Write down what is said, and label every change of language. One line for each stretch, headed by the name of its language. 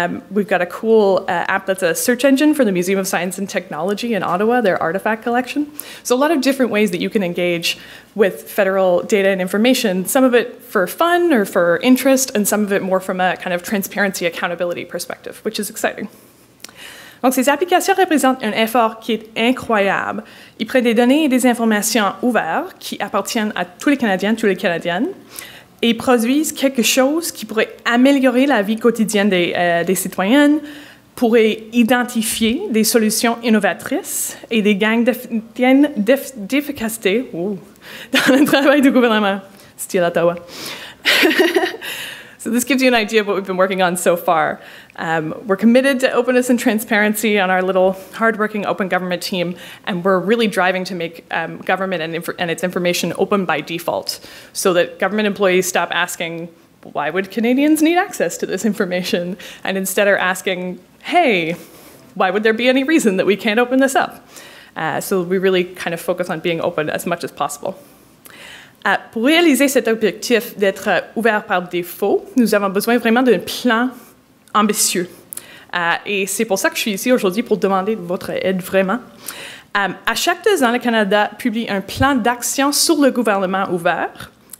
English: We've got a cool app that's a search engine for the Museum of Science and Technology in Ottawa, their artifact collection. So a lot of different ways that you can engage with federal data and information, some of it for fun or for interest, and some of it more from a kind of transparency accountability perspective, which is exciting.
French: Donc, ces applications représentent un effort qui est incroyable. Ils prennent des données et des informations ouvertes qui appartiennent à tous les Canadiens, toutes les Canadiennes, et ils produisent quelque chose qui pourrait améliorer la vie quotidienne des citoyennes, pourrait identifier des solutions innovatrices et des gains d'efficacité dans le travail du gouvernement. Style Ottawa.
English: So this gives you an idea of what we've been working on so far. We're committed to openness and transparency on our little hardworking open government team, and we're really driving to make government and its information open by default so that government employees stop asking, why would Canadians need access to this information? And instead are asking, hey, why would there be any reason that we can't open this up? So we really kind of focus on being open as much as possible.
French: Pour réaliser cet objectif d'être ouvert par défaut, nous avons besoin vraiment d'un plan ambitieux. Et c'est pour ça que je suis ici aujourd'hui, pour demander votre aide vraiment. À chaque 2 ans, le Canada publie un plan d'action sur le gouvernement ouvert.